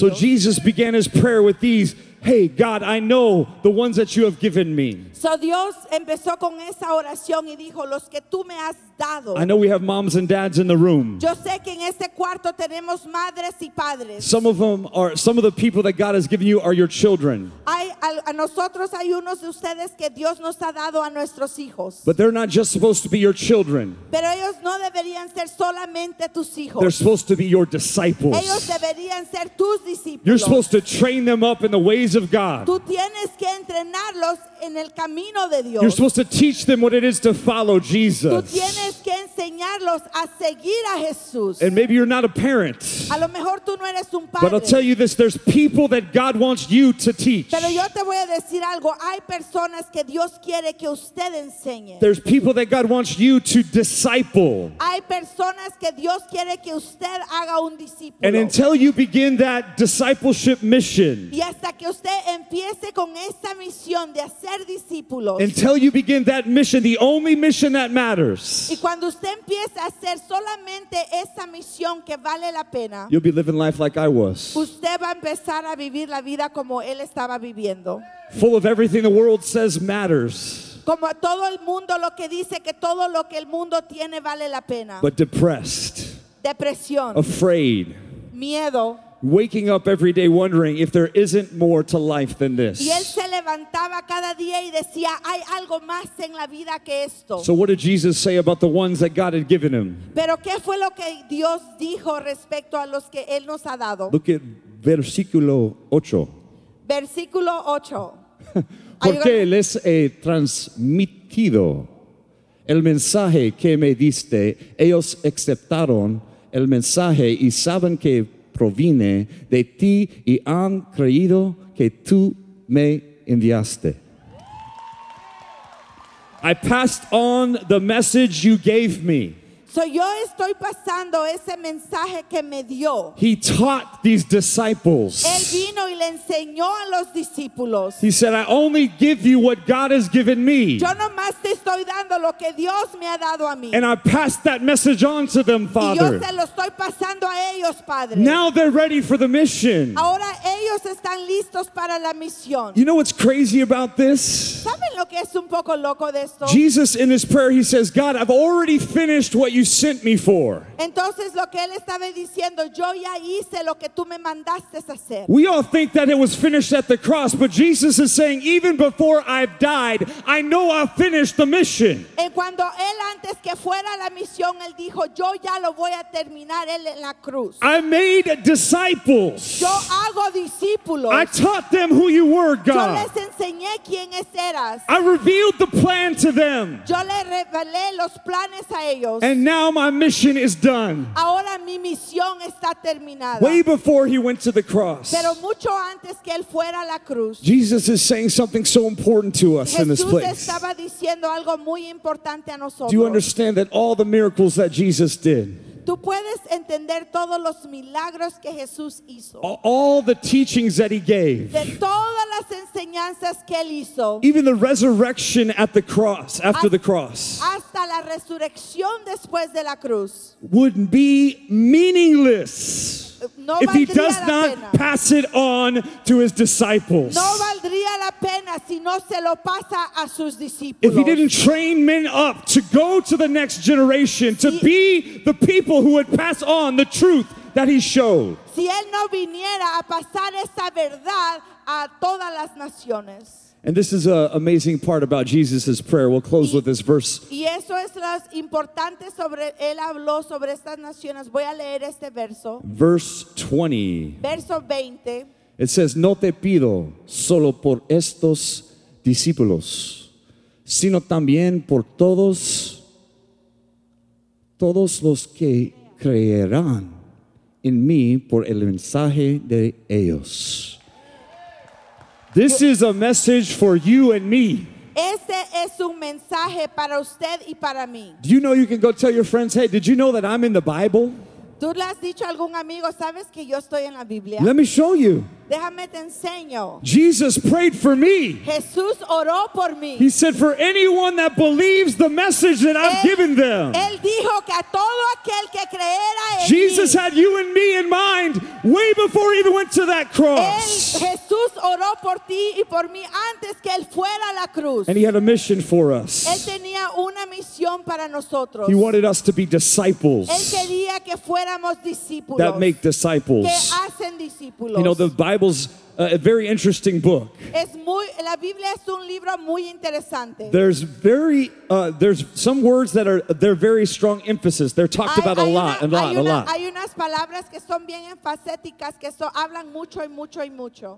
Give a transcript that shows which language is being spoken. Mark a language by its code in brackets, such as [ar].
[en] So Jesus began his prayer with these, hey God, I know the ones that you have given me. [es] So Dios empezó con esa oración y dijo, los que tú me has dado. [en] I know we have moms and dads in the room. [es] Yo sé que en este cuarto tenemos madres y padres. [en] Some of the people that God has given you are your children. [es] A nosotros hay unos de ustedes que Dios nos ha dado a nuestros hijos. [en] But they're not just supposed to be your children. [es] Pero ellos no deberían ser solamente tus hijos. [en] They're supposed to be your disciples. [es] Ellos deberían ser tus discípulos. [en] You're supposed to train them up in the ways of God. [es] Tú tienes que entrenarlos en el camino de Dios. [en] You're supposed to teach them what it is to follow Jesus. [es] Tú tienes que enseñarlos a seguir a Jesús. [en] And maybe you're not a parent. [es] A lo mejor tú no eres un padre. [en] But I'll tell you this, there's people that God wants you to teach. [es] Pero yo te voy a decir algo, hay personas que Dios quiere que usted enseñe. [en] There's people that God wants you to disciple. [es] Hay personas que Dios quiere que usted haga un discípulo. [en] And until you begin that discipleship mission. [es] Y hasta que usted empiece con esta misión de hacer discípulos. [en] Until you begin that mission, the only mission that matters. [es] Y cuando usted empieza a hacer solamente esa misión que vale la pena. [en] You'll be living life like I was. [es] Usted va a empezar a vivir la vida como él estaba viviendo. [en] Full of everything the world says matters. [es] como todo el mundo lo que dice que todo lo que el mundo tiene vale la pena. [en] But depressed. [es] Depresión. [en] Afraid. [es] Miedo. [en] Waking up every day wondering if there isn't more to life than this. [es] Y él se levantaba cada día y decía, hay algo más en la vida que esto. [en] So what did Jesus say about the ones that God had given him? [es] Pero qué fue lo que Dios dijo respecto a los que él nos ha dado. [en] Look at versículo 8. [es] Versículo 8. Porque les he transmitido el mensaje que me diste. Ellos aceptaron el mensaje y saben que proviene de ti y han creído que tú me enviaste. [en] I passed on the message you gave me. [es] So yo estoy pasando ese mensaje que me dio. [en] He taught these disciples. [es] Él vino y le enseñó a los discípulos. [en] He said, I only give you what God has given me. [es] Yo nomás te estoy dando lo que Dios me ha dado a mí. [en] And I passed that message on to them, Father. [es] Y yo se lo estoy pasando a ellos, Padre. [en] Now they're ready for the mission. [es] Ahora ellos están listos para la misión. [en] You know what's crazy about this? [es] ¿Saben lo que es un poco loco de esto? [en] Jesus, in his prayer, he says, God, I've already finished what you sent me for. [es] Entonces lo que él estaba diciendo, yo ya hice lo que tú me mandaste hacer. [en] We all think that it was finished at the cross, but Jesus is saying, even before I've died, I know I've finished the mission. [es] Y cuando él antes que fuera la misión, él dijo, yo ya lo voy a terminar él en la cruz. [en] I made disciples. [es] Yo hago discípulos. [en] I taught them who you were, God. [es] Yo les enseñé quién eras. [en] I revealed the plan to them. [es] Yo le revelé los planes a ellos. [en] And now my mission is done. [es] Ahora mi misión está terminada. [en] Way before he went to the cross. [es] Pero mucho antes que él fuera a la cruz. [en] Jesus is saying something so important to us [es] Jesús [en] in this place. [es] Estaba diciendo algo muy importante a nosotros. [en] Do you understand that all the miracles that Jesus did? [es] Tú puedes entender todos los milagros que Jesús hizo. [en] All the teachings that he gave. [es] De todas las enseñanzas que él hizo. [en] Even the resurrection at the cross, after the cross. [es] Hasta la resurrección después de la cruz. [en] Would be meaningless. [es] No [en] if he does not [es] pena. [en] Pass it on to his disciples. [es] No valdría la pena si no se lo pasa a sus discípulos. [en] If he didn't train men up to go to the next generation, to be the people who would pass on the truth that he showed. [es] Si él no viniera a pasar esa verdad a todas las naciones. [en] And this is an amazing part about Jesus' prayer. We'll close with this verse. [es] Y eso es lo importante sobre él habló sobre estas naciones. Voy a leer este verso. Verso 20. [en] It says, [es] no te pido solo por estos discípulos, sino también por todos los que creerán en mí por el mensaje de ellos. [en] This is a message for you and me. [es] Este es un mensaje para usted y para mí. [en] Do you know you can go tell your friends, hey, did you know that I'm in the Bible? [es] ¿Tú le has dicho a algún amigo, sabes que yo estoy en la Biblia? [en] Let me show you. [es] Déjame te enseño. [en] Jesus prayed for me. [es] Jesús oró por mí. [en] He said, for anyone that believes the message that I've given them. [es] Él dijo que a todo aquel que creera en [en] Jesus [es] mí. [en] Had you and me in mind way before he even went to that cross. [es] Jesús oró por ti y por mí antes que él fuera a la cruz. [en] And he had a mission for us. [es] Él tenía una misión para nosotros. [en] He wanted us to be disciples. [es] Él quería que fuéramos discípulos. [en] That make disciples. [es] Que hacen discípulos. [en] You know, the Bible's a very interesting book. [es] Es muy, la Biblia es un libro muy interesante. [en] There's very there's some words that are they're very strong emphasis. They're talked about a lot. [es] Hay unas palabras que son bien enfáticas que son hablan mucho y mucho y mucho.